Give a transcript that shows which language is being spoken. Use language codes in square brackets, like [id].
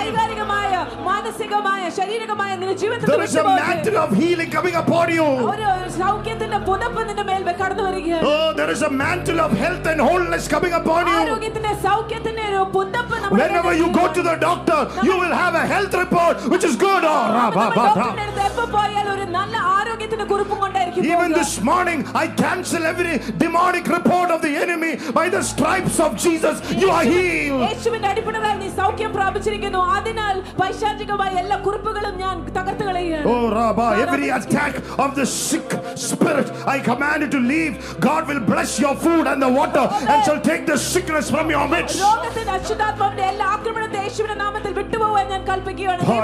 [ml] ശാരീരികമായ മാനസികമായ ശാരീരികമായ നിന്റെ ജീവിതത്തിൽ [en] There is a mantle of healing coming upon you. [ml] ഒരു സൗഖ്യത്തിന്റെ പുതപ്പ് നിന്റെ മേൽ കടന്നു വരികയാണ്. [en] Oh, there is a mantle of health and wholeness coming upon you. [ml] ആരോഗ്യത്തിന്റെ സൗഖ്യത്തിന്റെ ഒരു പുതപ്പ് നമ്മുടെ [en] Whenever you go to the doctor, you will have a health report which is good. Oh, ra ba ba ra. [ml] ഒരു നല്ല ആരോഗ്യത്തിന്റെ കുറിപ്പും കൊണ്ടായിരിക്കും. [en] Even this morning I cancel every demonic report of the enemy. By the stripes of Jesus you are healed. [ml] യേശുവിന്റെ അടിപ്പടിയിൽ നീ സൗഖ്യം പ്രാപിച്ചിരിക്കുന്നു. അതിനാൽ പൈശാചികമായ എല്ലാ കുറിപ്പുകളും ഞാൻ തകർത്തു കളയുകയാണ്. [en] Oh Rabba, every attack of the sick spirit I command it to leave. God will bless your food and the water and shall take the sickness from your midst. [ml] രോഗത്തിന്റെ അശുദ്ധാത്മാവിന്റെ എല്ലാ ആക്രമണത്തെ യേശുവിന്റെ നാമത്തിൽ വിട്ടുപോകുവാൻ ഞാൻ കൽപ്പിക്കുകയാണ്.